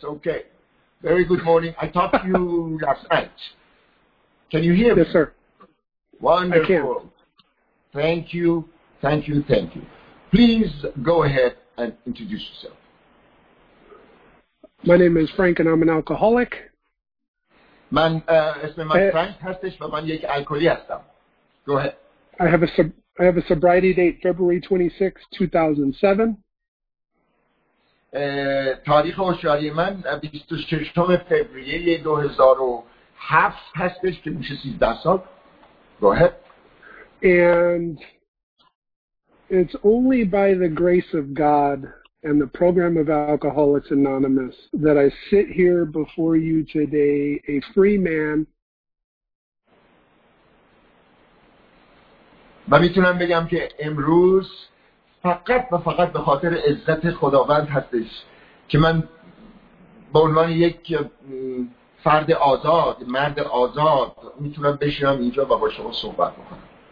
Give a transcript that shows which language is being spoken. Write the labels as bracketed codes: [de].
[en] Okay. Very good morning. I talked to you last night. Can you hear me? Yes, sir. Wonderful. Thank you. Thank you. Thank you. Please go ahead and introduce yourself. My name is Frank, and I'm an alcoholic. [fa] Man, اسم من فرانک هستش و من یک الکلی هستم. [en] Go ahead. I have a sobriety date February 26, 2007. [fa] تاریخ هوشیاری من 26 فوریه 2007 هستش که میشه 13 سال. [en] Go ahead. And it's only by the grace of God and the program of Alcoholics Anonymous that I sit here before you today, a free man. [fa] و میتونم بگم که امروز فقط و فقط به خاطر عزت خداوند هستش که من به عنوان یک فرد آزاد، مرد آزاد، میتونم بشینم اینجا و با شما صحبت بکنم.